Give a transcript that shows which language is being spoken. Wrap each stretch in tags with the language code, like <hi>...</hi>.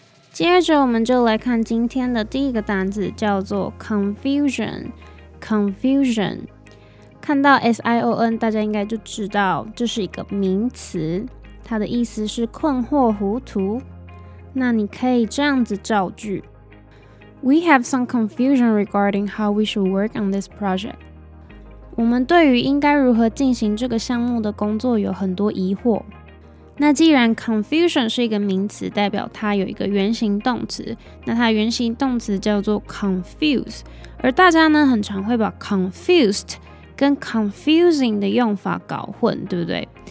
<zh>接着我们就来看今天的第一个单字，叫做 confusion. Confusion. 看到 S-I-O-N, 大家应该就知道这是一个名词，它的意思是困惑、糊涂。那你可以这样子造句。</zh> <en>We have some confusion regarding how we should work on this project.</en> <zh>我们对于应该如何进行这个项目的工作有很多疑惑。那既然 confusion 是一个名词，代表它有一个原形动词，那它原形动词叫做 confuse， 而大家呢很常会把 confused 跟 confusing 的用法搞混，对不对？</zh>